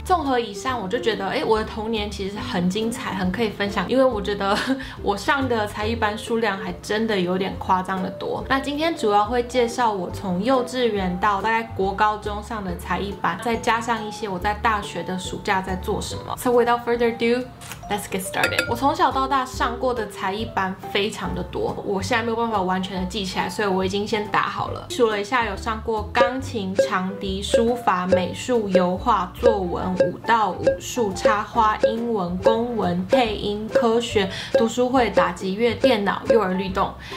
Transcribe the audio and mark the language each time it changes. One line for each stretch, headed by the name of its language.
Chinese: 综合以上，我就觉得我的童年其实很精彩，很可以分享，因为我觉得我上的才艺班数量还真的有点夸张的多。那今天主要会介绍我从幼稚园到大概国高中上的才艺班，再加上一些我在大学的暑假在做什么。
English: So without further ado, let's get started.
Chinese: 我从小到大上过的才艺班非常的多，我现在没有办法完全的记起来，所以我已经先打好了。数了一下，有上过钢琴、长笛、书法、美术、油画、作文、舞蹈、武术、插花、英文、公文、配音、科学、读书会、打击乐、电脑、幼儿律动。